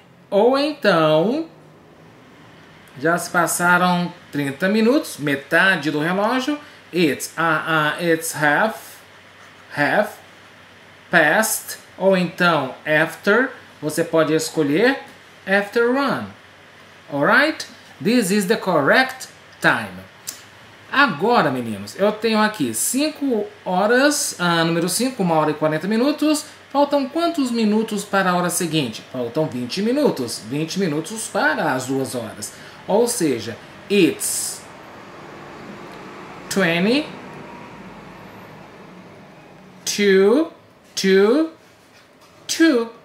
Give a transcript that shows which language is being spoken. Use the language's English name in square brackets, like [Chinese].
[Portuguese] Ou então, já se passaram 30 minutos, metade do relógio. [English] It's half past. [Portuguese] Ou então, after, você pode escolher [English] after 1. Alright? This is the correct time. [Portuguese] Agora, meninos, eu tenho aqui 5 horas, número 5, 1 hora e 40 minutos. Faltam quantos minutos para a hora seguinte? Faltam 20 minutos. 20 minutos para as 2 horas. Ou seja, [English] it's 20:22.